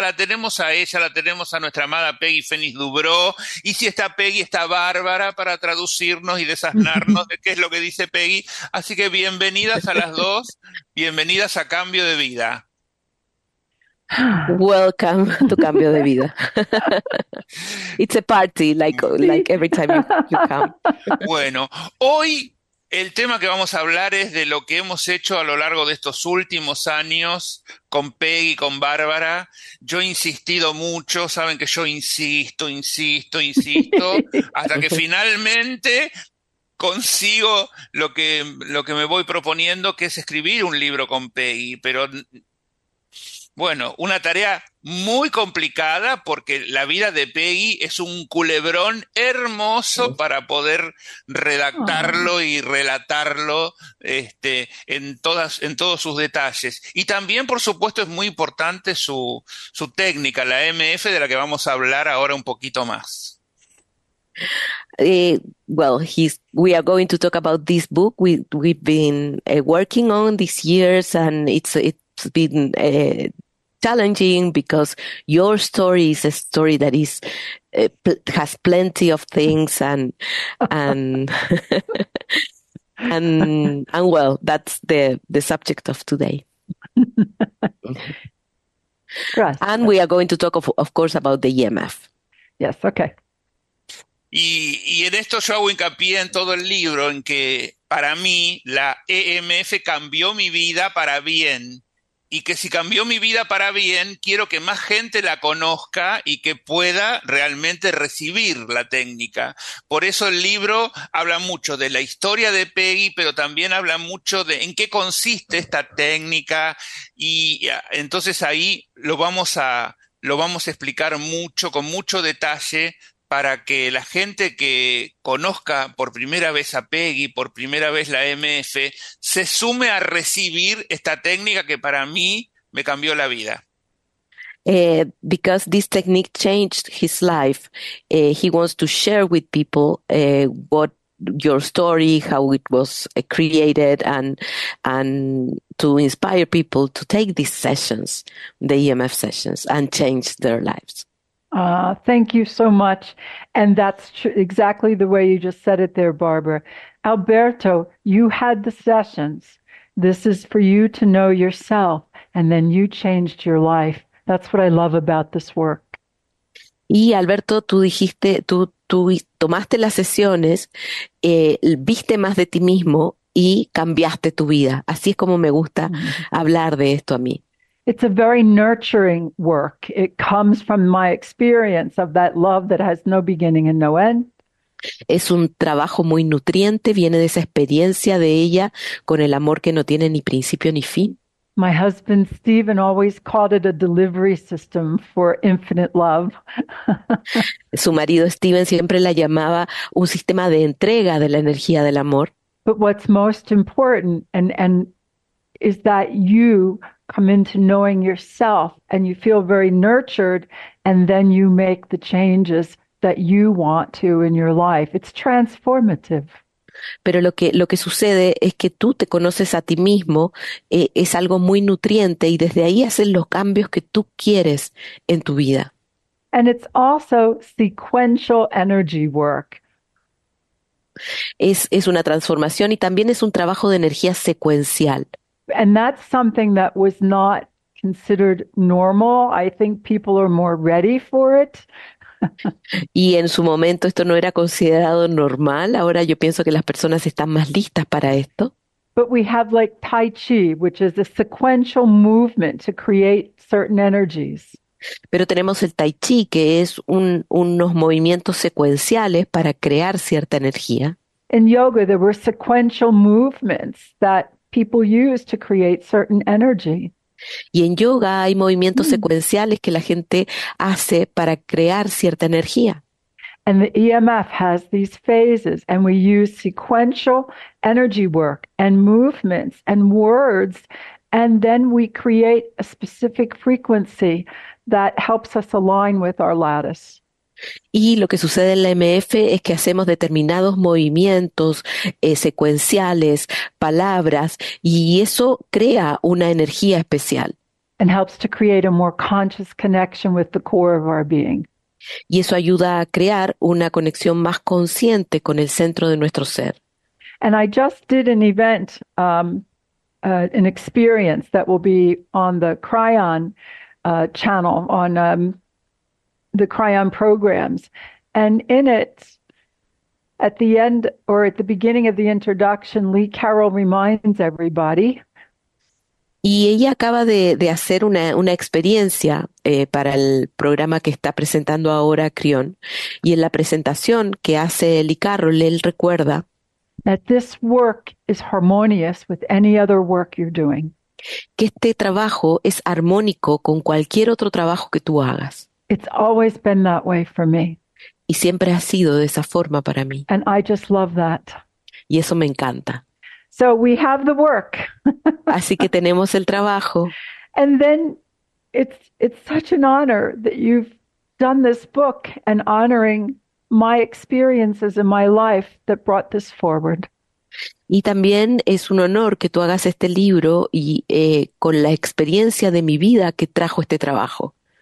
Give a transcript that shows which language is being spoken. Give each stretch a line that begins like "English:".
Spanish: La tenemos a ella, la tenemos a nuestra amada Peggy Fénix Dubró. Y si está Peggy, está Bárbara para traducirnos y desaznarnos de qué es lo que dice Peggy. Así que bienvenidas a las dos, bienvenidas a Cambio de Vida.
English: Welcome to Cambio de Vida. It's a party, like every time you come.
Spanish: Bueno, hoy el tema que vamos a hablar es de lo que hemos hecho a lo largo de estos últimos años con Peggy, con Bárbara. Yo he insistido mucho, saben que yo insisto, insisto, insisto, hasta que finalmente consigo lo que me voy proponiendo, que es escribir un libro con Peggy. Pero bueno, una tarea muy complicada porque la vida de Peggy es un culebrón hermoso para poder redactarlo y relatarlo en todos sus detalles. Y también, por supuesto, es muy importante su técnica, la MF, de la que vamos a hablar ahora un poquito más.
English: We are going to talk about this book we've been working on these years, and it's been challenging because your story is a story that is has plenty of things and well, that's the subject of today. Right. And we are going to talk of course about the EMF. Yes, okay.
Spanish: Y en esto yo hago hincapié en todo el libro en que para mí la EMF cambió mi vida para bien. Y que si cambió mi vida para bien, quiero que más gente la conozca y que pueda realmente recibir la técnica. Por eso el libro habla mucho de la historia de Peggy, pero también habla mucho de en qué consiste esta técnica. Y entonces ahí lo vamos a explicar mucho, con mucho detalle, para que la gente que conozca por primera vez a Peggy, por primera vez la MF, se sume a recibir esta técnica que para mí me cambió la vida.
English: Because this technique changed his life, he wants to share with people what your story, how it was created, and to inspire people to take these sessions, the EMF sessions, and change their lives. Thank you so much. And that's exactly the way you just said it there, Barbara. Alberto, you had the sessions. This is for you to know yourself. And then you changed your life. That's what I love about this work.
Spanish: Y Alberto, tú dijiste, tú tomaste las sesiones, viste más de ti mismo y cambiaste tu vida. Así es como me gusta hablar de esto a mí.
English: It's a very nurturing work. It comes from my experience of that love that has no beginning and no end.
Spanish: Es un trabajo muy nutriente, viene de esa experiencia de ella con el amor que no tiene ni principio ni fin.
English: My husband Stephen always called it a delivery system for infinite love.
Spanish: Su marido Stephen siempre la llamaba un sistema de entrega de la energía del amor.
English: But what's most important and is that you come into knowing yourself and you feel very nurtured and then you make the changes that you want to in your life. It's transformative.
Spanish: Pero lo que sucede es que tú te conoces a ti mismo, es algo muy nutriente y desde ahí haces los cambios que tú quieres en tu vida.
English: And it's also sequential energy work.
Spanish: Es una transformación y también es un trabajo de energía secuencial.
English: And that's something that was not considered normal. I think people are more ready for it.
Spanish: Y en su momento esto no era considerado normal. Ahora yo pienso que las personas están más listas para esto.
English: But we have like Tai Chi, which is a sequential movement to create certain energies.
Spanish: Pero tenemos el Tai Chi, que es unos movimientos secuenciales para crear cierta energía.
English: In yoga, there were sequential movements that people use to create certain energy.
Spanish: Y en yoga hay movimientos secuenciales que la gente hace para crear cierta energía.
English: And the EMF has these phases, and we use sequential energy work and movements and words And then we create a specific frequency that helps us align with our lattice.
Spanish: Y lo que sucede en la MF es que hacemos determinados movimientos secuenciales, palabras, y eso crea una energía especial.
English: And helps to create a more conscious connection with the core of our being.
Spanish: Y eso ayuda a crear una conexión más consciente con el centro de nuestro ser.
English: And I just did an event, an experience that will be on the Cryon channel, on the Cryon programs. And in it, at the end or at the beginning of the introduction, Lee Carroll reminds everybody.
Spanish: Y ella acaba de hacer una experiencia para el programa que está presentando ahora Crión. Y en la presentación que hace Lee Carroll, él recuerda
English: that this work is harmonious with any other work you're doing.
Spanish: Que este trabajo es armónico con cualquier otro trabajo que tú hagas.
English: It's always been that way for me.
Spanish: Y siempre ha sido de esa forma para mí.
English: And I just love that.
Spanish: Y eso me encanta.
English: So we have the work.
Spanish: Así que tenemos el trabajo.
English: And then it's such an honor that you've done this book and honoring my experiences in my life that brought this forward.
Spanish: Y también es un honor que tú hagas este libro y con la experiencia de mi vida que trajo este trabajo.